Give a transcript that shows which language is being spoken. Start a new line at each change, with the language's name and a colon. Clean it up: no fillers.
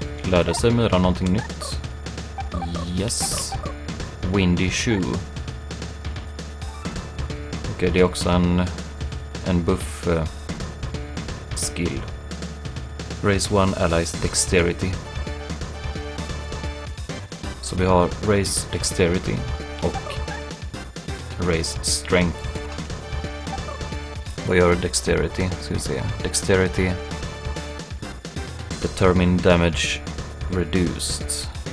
Swedish: Lärde sig Myra någonting nytt. Yes. Windy Shoe. Okej. det är också en buff skill.
English: Raise one ally's dexterity.
Swedish: Så vi har raise dexterity och raise strength. Vad gör dexterity? Ska vi se.
English: Dexterity determine damage reduced.